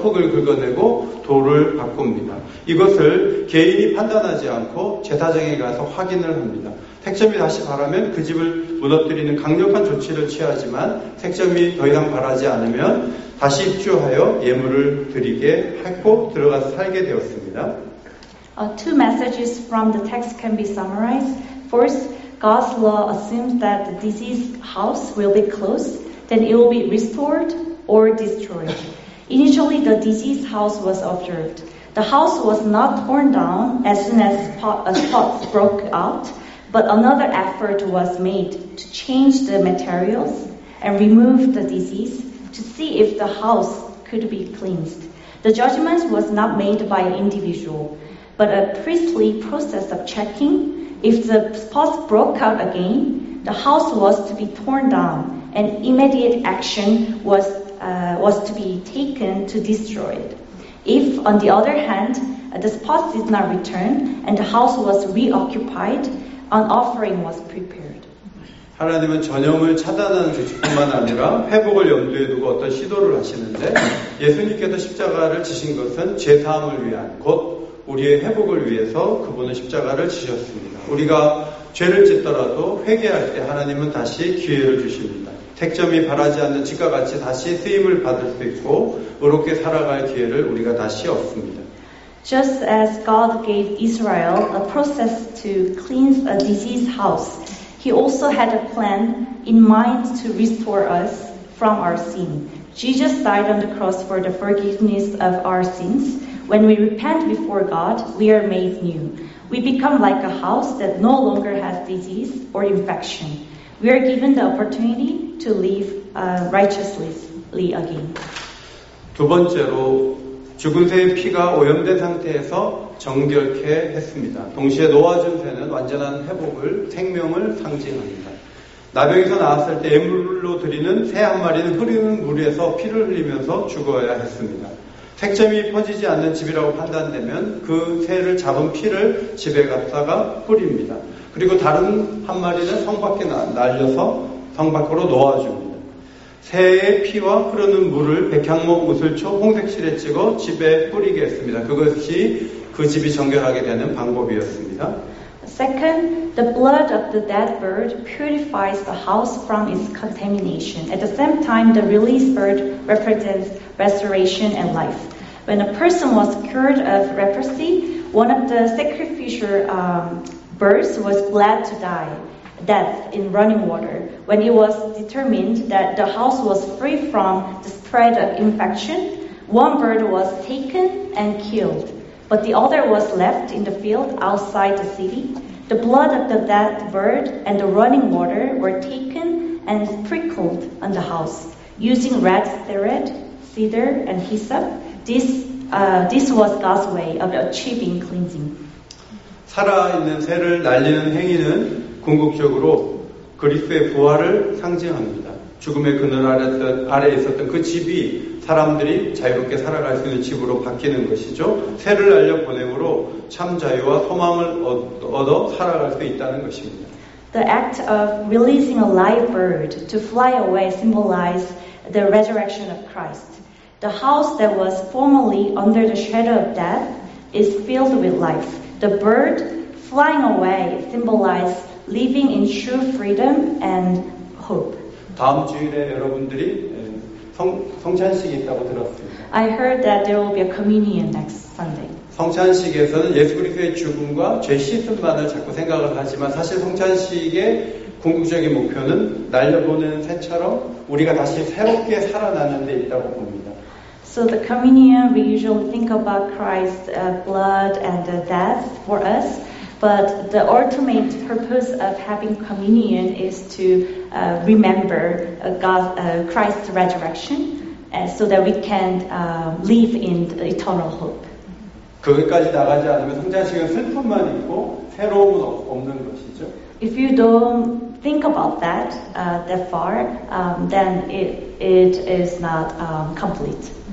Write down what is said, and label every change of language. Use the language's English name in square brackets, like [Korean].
[Korean] 흙을 긁어내고 돌을 바꿉니다. 이것을 개인이 판단하지 않고 제사장에 가서 확인을 합니다. 색점이 다시 바라면 그 집을 무너뜨리는 강력한 조치를 취하지만 색점이 더 이상 바라지 않으면 다시 입주하여 예물을 드리게 하고 들어가서 살게 되었습니다. [English] Two messages from the text can be summarized. First, God's law assumes that the diseased house will be closed, then it will be restored or destroyed. Initially, the diseased house was observed. The house was not torn down as soon as spots broke out, but another effort was made to change the materials and remove the disease to see if the house could be cleansed. The judgment was not made by an individual, but a priestly process of checking. If the spots broke out again, the house was to be torn down, and immediate action was to be taken to destroy it. If, on the other hand, the spot did not return and the house was reoccupied, an offering was prepared. [Korean] 하나님은 전염을 차단하는 조치뿐만 아니라 회복을 염두에 두고 어떤 시도를 하시는데 예수님께서 십자가를 지신 것은 죄사함을 위한 곧 우리의 회복을 위해서 그분은 십자가를 지셨습니다. 우리가 죄를 짓더라도 회개할 때 하나님은 다시 기회를 주십니다. 택점이 바라지 않는 집과 같이 다시 쓰임을 받을 수 있고 의롭게 살아갈 기회를 우리가 다시 얻습니다. [English] Just as God gave Israel a process to cleanse a diseased house, He also had a plan in mind to restore us from our sin. Jesus died on the cross for the forgiveness of our sins. When we repent before God, we are made new. We become like a house that no longer has disease or infection. We are given the opportunity to live righteously again. [Korean] 두 번째로 죽은 새의 피가 오염된 상태에서 정결케 했습니다. 동시에 놓아준 새는 완전한 회복을 생명을 상징합니다. 나병에서 나왔을 때 예물로 드리는 새 한 마리는 흐르는 물에서 피를 흘리면서 죽어야 했습니다. 색점이 퍼지지 않는 집이라고 판단되면 그 새를 잡은 피를 집에 갖다가 뿌립니다. 그리고 다른 한 마리는 성 밖에 날려서 성 밖으로 놓아줍니다. 새의 피와 흐르는 물을 백향목 우슬초 홍색실에 찍어 집에 뿌리겠습니다. 그것이 그 집이 정결하게 되는 방법이었습니다. [English] Second, the blood of the dead bird purifies the house from its contamination. At the same time, the released bird represents restoration and life. When a person was cured of leprosy, one of the sacrificial birds was glad to die, death in running water. When it was determined that the house was free from the spread of infection, one bird was taken and killed, but the other was left in the field outside the city. The blood of the dead bird and the running water were taken and sprinkled on the house. Using red thread, cedar, and hyssop, this was God's way of achieving cleansing. [Korean] 살아있는 새를 날리는 행위는 궁극적으로 그리스도의 부활을 상징합니다. 죽음의 그늘 아래 있었던 그 집이 사람들이 자유롭게 살아갈 수 있는 집으로 바뀌는 것이죠. 새를 날려 보냄으로 참 자유와 소망을 얻어 살아갈 수 있다는 것입니다. [English] The act of releasing a live bird to fly away symbolizes the resurrection of Christ. The house that was formerly under the shadow of death is filled with life. The bird flying away symbolizes living in true freedom and hope. [Korean] 다음 주일에 여러분들이 성찬식이 있다고 들었습니다. [English] I heard that there will be a communion next Sunday. [Korean] 성찬식에서는 예수 그리스도의 죽음과 죄 씻음만을 자꾸 생각을 하지만 사실 성찬식의 궁극적인 목표는 날려보낸 새처럼 우리가 다시 새롭게 살아나는 데 있다고 봅니다. [English] So the communion, we usually think about Christ's blood and death for us, but the ultimate purpose of having communion is to remember Christ's resurrection so that we can live in eternal hope. [Korean] 거기까지 나가지 않으면 성찬식은 슬픔만 있고 새로움은 없는 것이죠. [English] If you don't think about that that far, then it is not complete.